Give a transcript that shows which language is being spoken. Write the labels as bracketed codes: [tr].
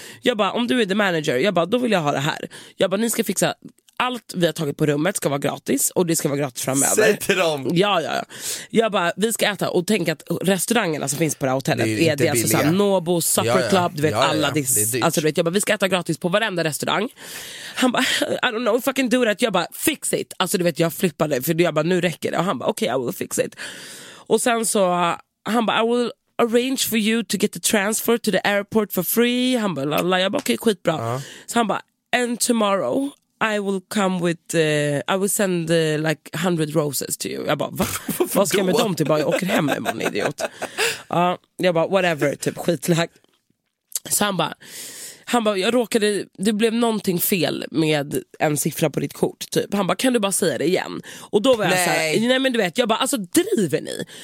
[sv] Jag bara om du är [en] the manager, [sv] jag bara då vill jag ha det här. Jag bara ni ska fixa allt vi har tagit på rummet ska vara gratis och det ska vara gratis framöver. Säg till dem. Ja. Jag bara vi ska äta och tänk att restaurangerna som finns på det här hotellet det är det alltså så här, Nobo Supper Club, du vet alla det. Alltså du vet jag bara vi ska äta gratis på varenda restaurang. Han bara [en] I don't know if I can do that. [sv] Jag bara [en] fix it. [sv] Alltså du vet jag flippade för jag bara nu räcker det och han bara okej, [en] okay, I will fix it. [sv] Och sen så han bara [en] I will arrange for you to get the transfer to the airport for free. [sv] Han bara jag bara okej, skitbra. Så han bara [en] and tomorrow I will come with I will send like 100 roses to you. [sv] Jag bara vad ska jag med dem till? Bara jag åker hem med man idiot. Jag bara whatever typ skitlack. Så han bara jag råkade, det blev någonting fel med en siffra på ditt kort typ. Han bara kan du bara säga det igen? Och då var jag så här, nej men du vet jag bara alltså driver ni?